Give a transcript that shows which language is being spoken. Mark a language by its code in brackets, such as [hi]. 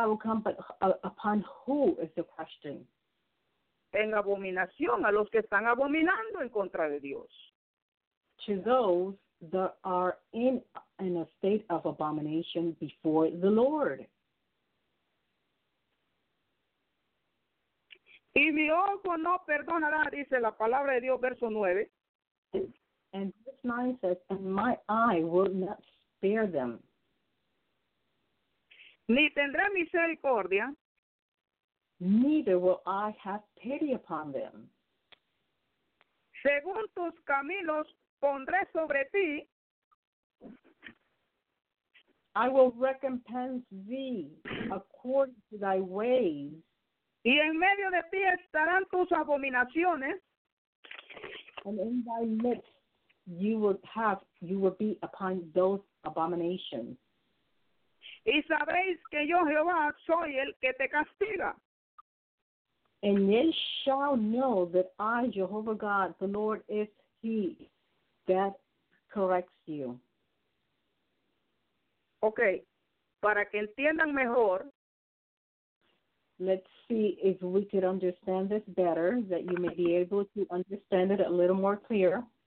[en] The ira of God will come upon who is the question? [es] En abominación, a los que están abominando en contra de Dios. [en] To those that are in a state of abomination before the Lord. [es] Y mi ojo no perdonará, dice la palabra de Dios, verso 9. [en] And verse 9 says, and my eye will not spare them. [es] Ni tendré misericordia. [en] Neither will I have pity upon them. [es] Según tus caminos, pondré sobre ti. [en] I will recompense thee according to thy ways. [es] Y en medio de ti estarán tus abominaciones. [en] And in thy midst you will be upon those abominations. [es] Y sabréis que yo Jehová soy el que te castiga. [en] And ye shall know that I, Jehovah God, the Lord, is he that corrects you. [es] Okay, para que entiendan mejor. [en] Let's see if we could understand this better, that you may be able to understand it a little more clear.